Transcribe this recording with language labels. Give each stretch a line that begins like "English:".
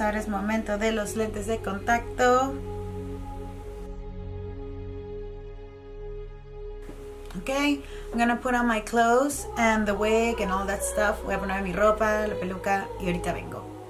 Spanish: Ahora es momento de los lentes de contacto.
English: Okay, I'm gonna put on my clothes and the wig and all that stuff.
Spanish: Voy a poner mi ropa, la peluca y ahorita vengo.